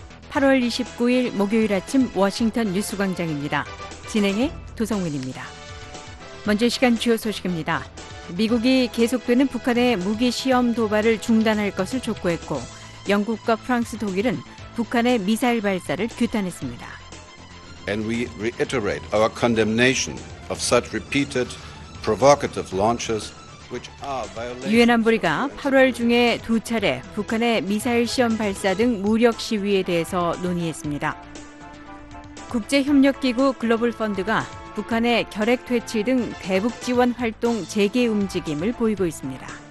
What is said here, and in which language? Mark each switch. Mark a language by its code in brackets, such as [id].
[ko] 8월 29일 목요일 아침 워싱턴 뉴스 광장입니다. 진행해 도성민입니다. 먼저 시간 주요 소식입니다. 미국이 계속되는 북한의 무기 시험 도발을 중단할 것을 촉구했고, 영국과 프랑스, 독일은 북한의 미사일 발사를 규탄했습니다. [en] And we reiterate our condemnation of such repeated provocative launches. [ko] 유엔 안보리가 8월 중에 두 차례 북한의 미사일 시험 발사 등 무력 시위에 대해서 논의했습니다. 국제협력기구 글로벌 펀드가 북한의 결핵 퇴치 등 대북 지원 활동 재개 움직임을 보이고 있습니다.